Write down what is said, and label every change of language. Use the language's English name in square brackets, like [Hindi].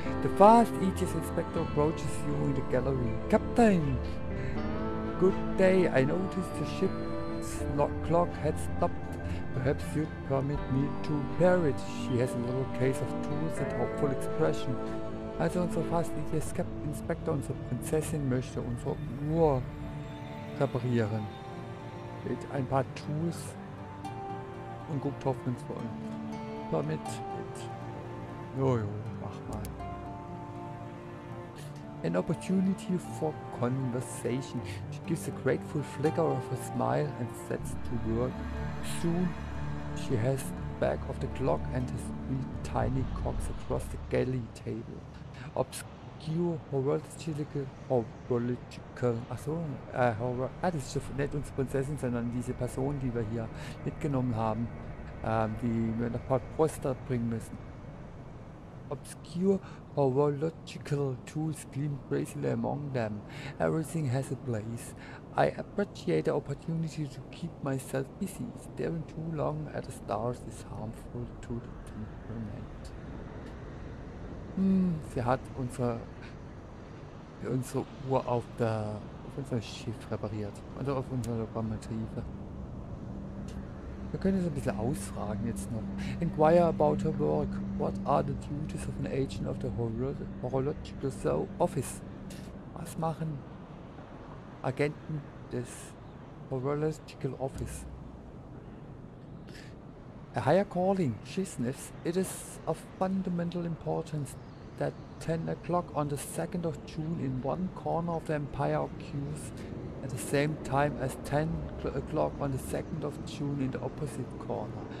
[English] The fast Aegis Inspector approaches you in the gallery. Captain! Good day, I noticed the ship's clock had stopped. Perhaps you'd permit me to repair it. She has a little case of tools and hopeful expression. [German] Also unser Fast-Inspektor, unsere Prinzessin möchte unsere Uhr reparieren. Mit ein paar Tools und guckt hoffnungsvoll. [English] Permit it. [German] Jojo, mach mal. [English] an opportunity for conversation. She gives a grateful flicker of a smile and sets to work. Soon, she has back of the clock and has three tiny cogs across the galley table. Obscure horological. [German] Achso, Horror. Ah, das ist nicht unsere Prinzessin, sondern diese Person, die wir hier mitgenommen haben, die wir nach Port Poster bringen müssen. [English] Obscure horological tools gleam crazily among them. Everything has a place. I appreciate the opportunity to keep myself busy. Staring too long at the stars is harmful to the temperament. [German] Sie hat unsere Uhr auf unser Schiff repariert. Oder auf unsere Lokomotive. Wir können es ein bisschen ausfragen jetzt noch. [English] Inquire about her work. What are the duties of an agent of the horological office? [German] Was machen Agenten des horological office? [English] A higher calling, she sniffs. It is of fundamental importance that 10 o'clock on the 2nd of June in one corner of the Empire occurs at the same time as 10 o'clock on the 2nd of June in the opposite corner.